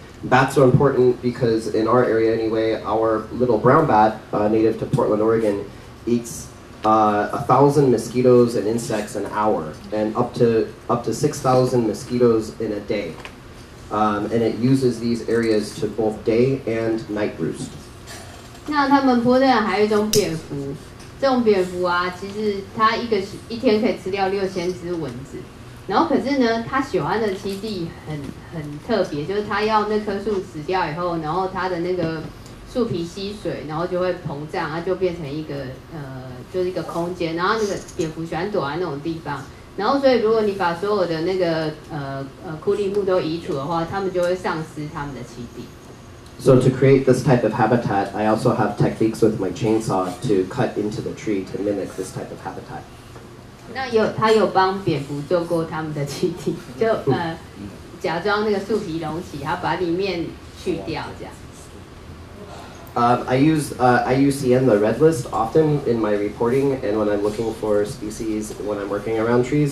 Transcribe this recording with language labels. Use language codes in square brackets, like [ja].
[en] Bats are important because in our area anyway, our little brown bat, native to Portland, Oregon, eats a thousand mosquitoes and insects an hour, and up to 6,000 mosquitoes in a day. And it uses these areas to both day and night roost. [zh] 那他们波特兰还有一种蝙蝠，这种蝙蝠啊，其实它一天可以吃掉6000只蚊子。然后可是呢，它喜欢的栖地很特别，就是它要那棵树死掉以后，然后它的那个树皮吸水，然后就会膨胀，它就变成一个就是一个空间，然后那个蝙蝠喜欢躲在那种地方，然后所以如果你把所有的那个枯立木都移除的话，它们就会丧失它们的栖地。 [en] So to create this type of habitat, I also have techniques with my chainsaw to cut into the tree to mimic this type of habitat. [zh] 那有他有帮蝙蝠做过他们的栖地，就假装那个树皮隆起，然后把里面去掉这样。 [en] I use IUCN, the red list, often in my reporting and when I'm looking for species when I'm working around trees.